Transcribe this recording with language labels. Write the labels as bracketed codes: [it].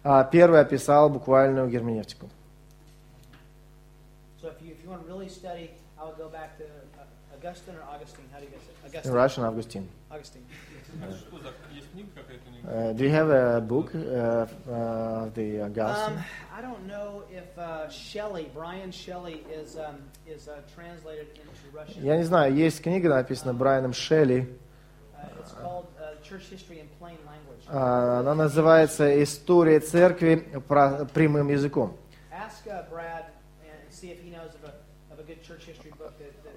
[ru] первый описал буквальную герменевтику. [en] So if you want to really study, I would go back to Augustine or Augustine. How do you guess it? Augustine. In Russian, Augustine. Augustine. Do you have a book, the Augustine? I don't know if Brian Shelley is translated into Russian. [ru] Я не знаю. Есть книга, написанная Брайаном Шелли. [en] It's called Church History in Plain Language. [ru] Она называется «История церкви прямым языком». [en] Ask Brad and see if he knows of a good church history book that.